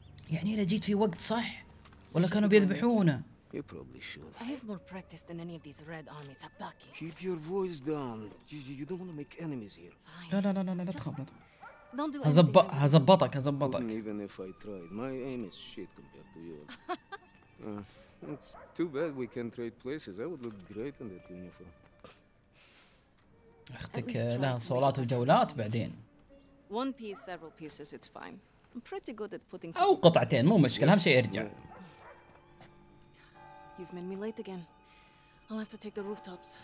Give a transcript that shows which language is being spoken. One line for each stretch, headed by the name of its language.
Arabic: يعني إذا جيت في وقت صح ولا كانوا بيذبحونه؟
English: You probably should. I have more practice than any of these red army tabaki. Keep your voice down. You don't want to make enemies here.
Arabic: لا لا لا لا لا لا تخاف. هزبطك.
English: Even if I tried, my aim is shit compared to yours. It's too bad we can't trade places. I would look great in that uniform.
Arabic: أختك لها صولات وجولات بعدين.
English: One piece, several pieces, it's fine. I'm pretty good at putting.
Arabic: أو قطعتين مو مشكلة، أهم شيء يرجع.
English: You've made me late again. I'll have to take the rooftops.